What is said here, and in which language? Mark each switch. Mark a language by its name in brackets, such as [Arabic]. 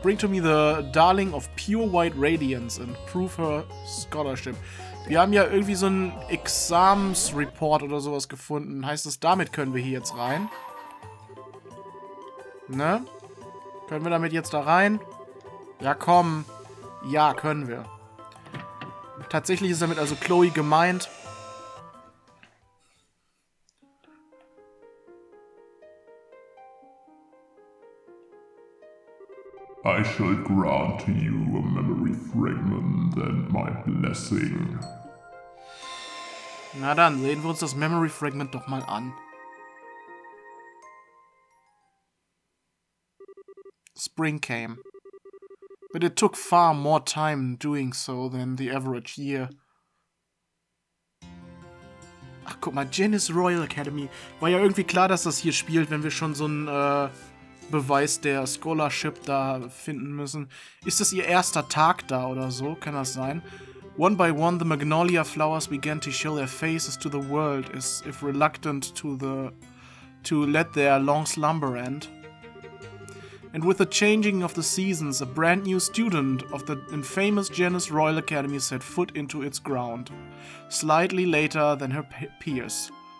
[English] Bring to me the darling of pure white radiance and prove her scholarship. [German] Wir haben ja irgendwie so ein Examens-Report oder sowas gefunden. Heißt das, damit können wir hier jetzt rein? Ne? Können wir damit jetzt da rein? Ja, komm. Ja, können wir. Tatsächlich ist damit also Chloe gemeint. [English] I shall grant you a memory fragment and my blessing. [German] Na dann, sehen wir uns das Memory Fragment doch mal an. [English] Spring came. But it took far more time doing so than the average year. [German] Ach, guck mal, Janis Royal Academy. War ja irgendwie klar, dass das hier spielt, wenn wir schon so ein Beweis der Scholarship da finden müssen. Ist das ihr erster Tag da oder so? Kann das sein? [English] One by one, the magnolia flowers began to show their faces to the world, as if reluctant to let their long slumber end. And with the changing of the seasons, a brand new student of the infamous Janis Royal Academy set foot into its ground, slightly later than her peers.